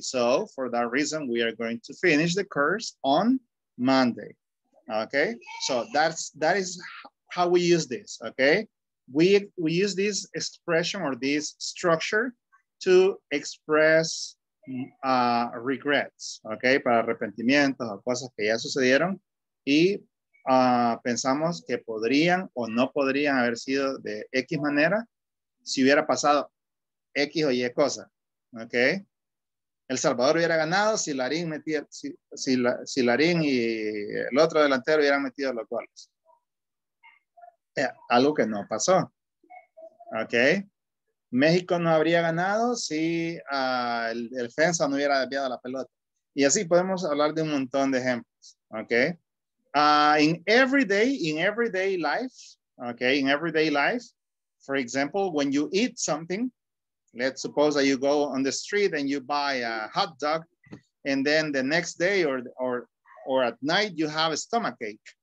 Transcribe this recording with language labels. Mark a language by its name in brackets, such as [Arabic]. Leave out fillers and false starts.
[English] So for that reason, we are going to finish the course on Monday, okay? So that is how we use this, okay? We use this expression or this structure to express regrets, okay? [Spanish] Para arrepentimientos o cosas que ya sucedieron y pensamos que podrían o no podrían haber sido de X manera si hubiera pasado X o Y cosa, okay? El Salvador hubiera ganado si Larín metía, si Larín y el otro delantero hubieran metido los goles. Algo que no pasó. Okay. México no habría ganado si el defensa no hubiera desviado la pelota. Y así podemos hablar de un montón de ejemplos. [English] Okay. In everyday life, for example, when you eat something, let's suppose that you go on the street and you buy a hot dog, and then the next day or at night you have a stomachache.